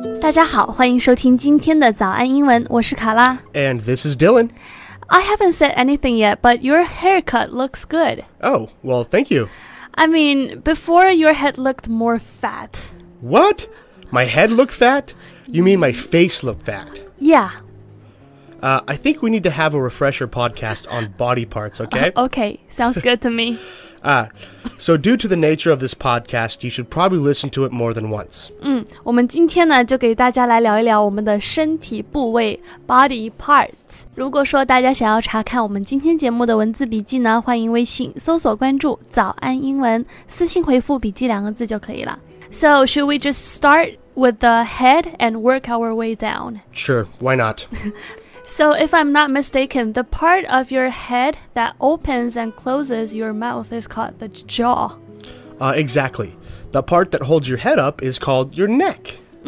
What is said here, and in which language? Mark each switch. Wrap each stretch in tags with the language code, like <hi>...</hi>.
<zh>家好，欢迎收听今天的早安英文，我是卡拉。</zh> <en>And this is Dylan. I haven't said anything yet, but your haircut looks good. Oh, well, thank you. I mean, before your head looked more fat. What? My head looked fat? You mean my face looked fat? Yeah. I think we need to have a refresher podcast on body parts, okay? Okay, sounds good to me. So due to the nature of this podcast, you should probably listen to it more than once.</en> <zh>我们今天呢就给大家来聊一聊我们的身体部位</zh> <en>body parts.</en> <zh>如果说大家想要查看我们今天节目的文字笔记呢，欢迎微信搜索关注早安英文，私信回复笔记两个字就可以了。</zh> <en>So should we just start with the head and work our way down? Sure, why not? So if I'm not mistaken, the part of your head that opens and closes your mouth is called the jaw. Exactly. The part that holds your head up is called your neck.</en>